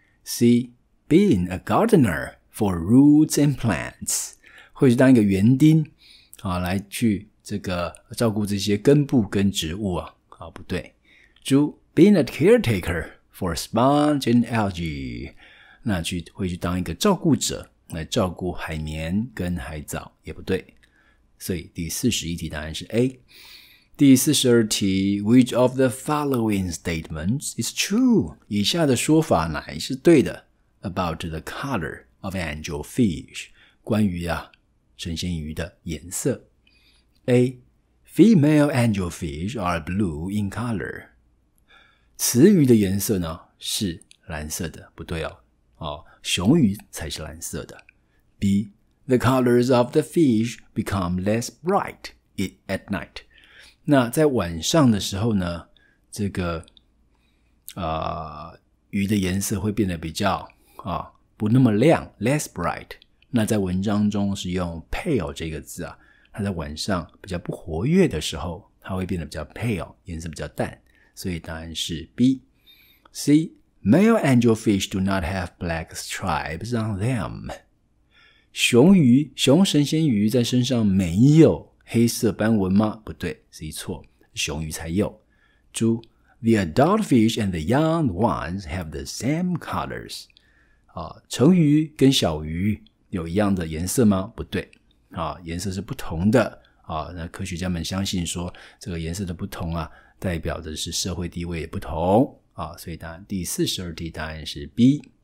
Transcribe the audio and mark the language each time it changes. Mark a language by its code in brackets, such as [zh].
[zh] C. [en] Being a gardener for roots and plants， [zh] 会去当一个园丁啊，来去这个照顾这些根部跟植物啊，不对。D. [en] Being a caretaker for sponge and algae。 [zh] 那去会去当一个照顾者来照顾海绵跟海藻也不对，所以第41题答案是 A。第42题 [en] Which of the following statements is true? [zh] 以下的说法哪一是对的 [en] About the color of angelfish， [zh] 关于啊神仙鱼的颜色。A. [en] Female angelfish are blue in color， [zh] 雌鱼的颜色呢是蓝色的，不对哦，雄鱼才是蓝色的。B. [en] The colors of the fish become less bright at night， [zh] 那在晚上的时候呢，这个鱼的颜色会变得比较不那么亮， [en] less bright。 [zh] 那在文章中是用 pale 这个字啊，它在晚上比较不活跃的时候，它会变得比较 pale， 颜色比较淡，所以答案是 B。 C. [en] Male angelfish do not have black stripes on them. [zh] 熊神仙鱼在身上没有黑色斑纹吗？不对，是一错，熊鱼才有。 [en] 猪 The adult fish and the young ones have the same colors. [zh] 成鱼跟小鱼有一样的颜色吗？不对，颜色是不同的。那科学家们相信说这个颜色的不同啊，代表的是社会地位也不同。好，所以答案第42题答案是 B。